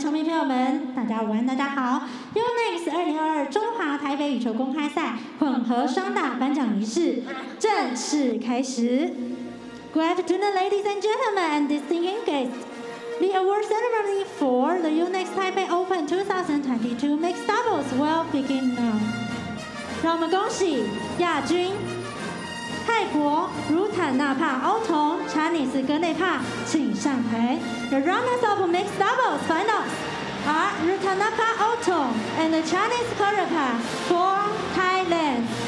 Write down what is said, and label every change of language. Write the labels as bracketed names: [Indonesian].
[Chinese] YONEX 2022 中华台北羽球公开赛混合双打颁奖仪式正式开始. [English] Good afternoon, ladies and gentlemen, and distinguished guests. The award ceremony for the YONEX Taipei Open 2022 mixed doubles will begin now. [Chinese] 让我们恭喜亚军 泰国如坦纳帕欧童查尼斯格内帕请上台. [English] The runners of mixed doubles finals are Rutanapa Oupthong and the Chinese Korepap for Thailand.